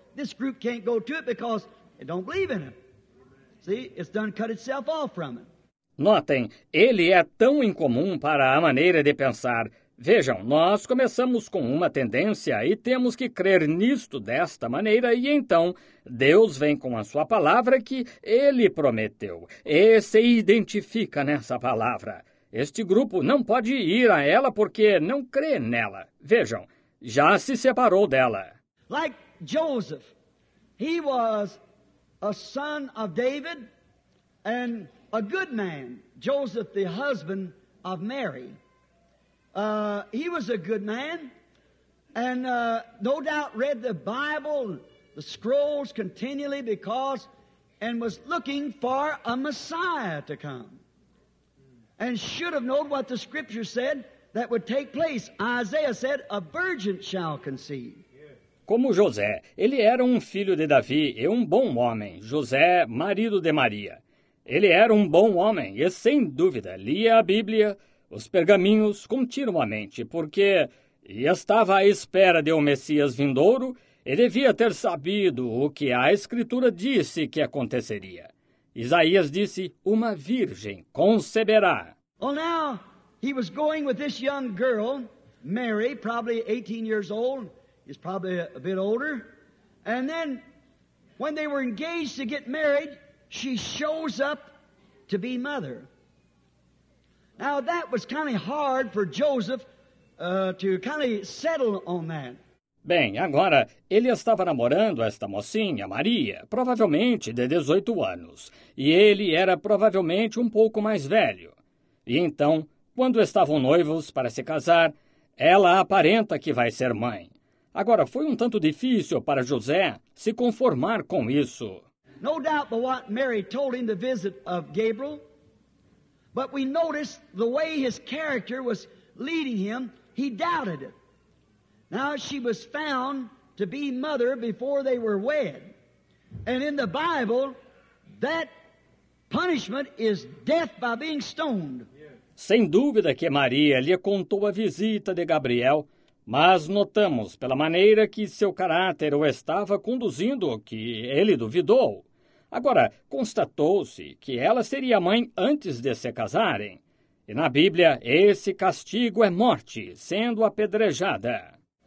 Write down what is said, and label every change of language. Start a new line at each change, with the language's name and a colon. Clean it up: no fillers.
English: This group can't go to it because it don't believe in him. See, it's done cut itself off from him.
Portuguese: Notem, ele é tão incomum para a maneira de pensar. Vejam, nós começamos com uma tendência e temos que crer nisto desta maneira e então Deus vem com a sua palavra que ele prometeu e se identifica nessa palavra. Este grupo não pode ir a ela porque não crê nela. Vejam, já se separou dela.
English: Like Joseph, he was a son of David and a good man. Joseph, the husband of Mary. He was a good man and no doubt read the Bible, the scrolls continually because and was looking for a Messiah to come. And should have known what the scripture said that would take place. Isaiah said, a virgin shall conceive.
Portuguese: Como José, ele era um filho de Davi e um bom homem. José, marido de Maria. Ele era um bom homem e, sem dúvida, lia a Bíblia, os pergaminhos, continuamente, porque estava à espera de um Messias vindouro e devia ter sabido o que a Escritura disse que aconteceria. Isaías disse, uma virgem conceberá.
English: Well, now, he was going with this young girl, Mary, probably 18 years old. He's probably a bit older. And then, when they were engaged to get married, she shows up to be mother. Now, that was kind of hard for Joseph to kind of settle on that.
Portuguese: Bem, agora, ele estava namorando esta mocinha, Maria, provavelmente de 18 anos, e ele era provavelmente um pouco mais velho. E então, quando estavam noivos para se casar, ela aparenta que vai ser mãe. Agora, foi um tanto difícil para José se conformar com isso.
English: No doubt but what Mary told him the visit of Gabriel, but we noticed the way his character was leading him, he doubted it. Now she was found to be mother before they were wed. And in the Bible, that punishment is death by being stoned.
Portuguese: Sem dúvida que Maria lhe contou a visita de Gabriel, mas notamos pela maneira que seu caráter o estava conduzindo que ele duvidou. Agora, constatou-se que ela seria mãe antes de se casarem. E na Bíblia, esse castigo é morte, sendo apedrejada.